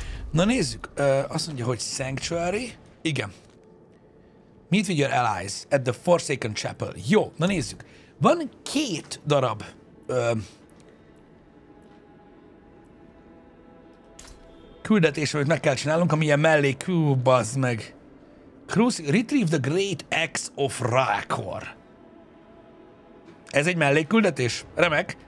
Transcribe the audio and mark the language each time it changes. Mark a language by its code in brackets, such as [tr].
[hu] Na nézzük, azt mondja, hogy Sanctuary. Igen. [en] Meet with your allies at the Forsaken Chapel. [hu] Jó, na nézzük. Van két darab küldetés, amit meg kell csinálnunk, ami ilyen mellé kúbazd meg. [en] Retrieve the Great Axe of Rakor. [hu] Ez egy mellé küldetés? Remek.